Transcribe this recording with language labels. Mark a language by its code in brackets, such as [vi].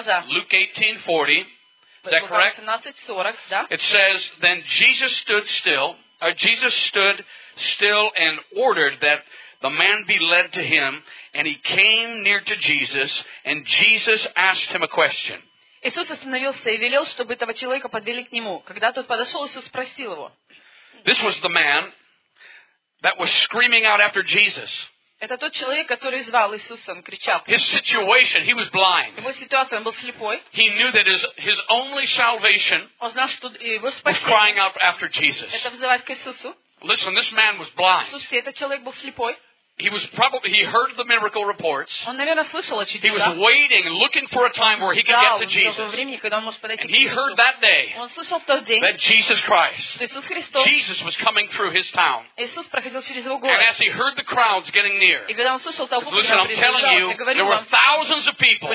[en] Luke 18:40. Is that correct? It says, then Jesus stood still. Jesus stood still and ordered that the man be led to him, and he came near to Jesus, and Jesus asked him a question. [ru] Иисус остановился и велел, чтобы этого человека подвели к нему. Когда тот подошел, Иисус спросил его. [en] This was the man that was screaming out after Jesus. [ru] Это тот человек, который звал Иисуса, он кричал. [en] His situation, he was blind. [ru] Его ситуация, он был слепой. [en] He knew that his only salvation was crying out after Jesus. [ru] Это взывать к Иисусу. [en] Listen, this man was blind. [ru] Слушайте, этот человек был слепой. [en] He heard the miracle reports. [ru] Он, наверное, слышал о чудесах. [en] He was waiting, looking for a time where he could get to Jesus. And he heard that day that Jesus Christ, Jesus was coming through his town. And as he heard the crowds getting near, listen, I'm telling you, there were thousands of people.